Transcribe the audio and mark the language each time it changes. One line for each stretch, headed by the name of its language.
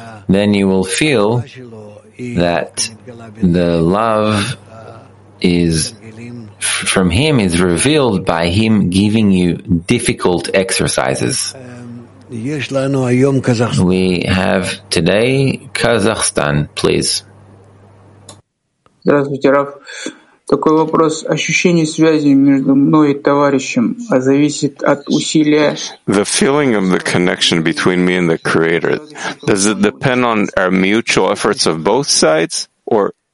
English: Then you will feel that the love is from Him is revealed by Him giving you difficult exercises. We have today Kazakhstan, please.
Russian: Здравствуйте, Раф. Такой вопрос. Ощущение связи между мной и товарищем зависит от усилия.
English: The feeling of the connection between me and the Creator, does it depend on our mutual efforts of both sides, or?